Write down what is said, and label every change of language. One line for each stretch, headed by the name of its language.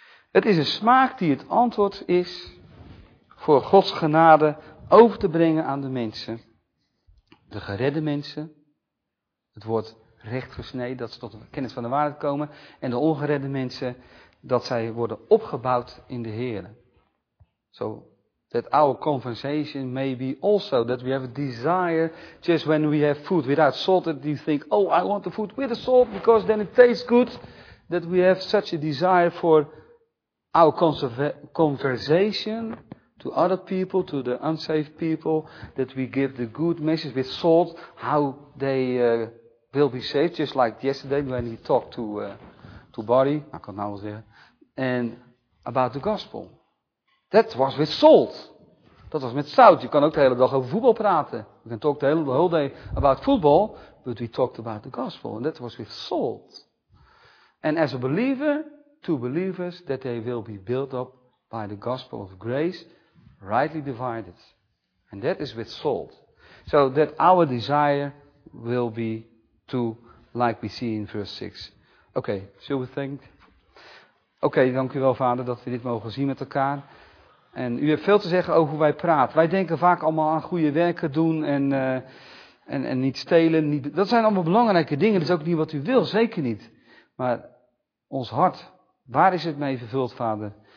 Dutch: Het is een smaak die het antwoord is voor Gods genade over te brengen aan de mensen. De geredde mensen, het woord rechtgesneden, dat ze tot de kennis van de waarheid komen. En de ongeredde mensen, dat zij worden opgebouwd in de Heer.
English: So, that our conversation may be also that we have a desire, just when we have food without salt, that you think, oh, I want the food with the salt, because then it tastes good. That we have such a desire for our conversation to other people, to the unsaved people, that we give the good message with salt, how they will be saved, just like yesterday when he talked to Barry, I can now say, and about the gospel. That was with salt.
Dutch: Dat was met zout. Je kan ook de hele dag over voetbal praten.
English: We can talk the whole day about football, but we talked about the gospel, and that was with salt. And as a believer, to believers, that they will be built up by the gospel of grace, rightly divided. And that is with salt. So that our desire will be to, like we see in verse 6. Oké, shall we think?
Dutch: Oké, dank u wel vader dat we dit mogen zien met elkaar. En u hebt veel te zeggen over hoe wij praten. Wij denken vaak allemaal aan goede werken doen en niet stelen. Dat zijn allemaal belangrijke dingen. Dat is ook niet wat u wil, zeker niet. Maar ons hart, waar is het mee vervuld vader?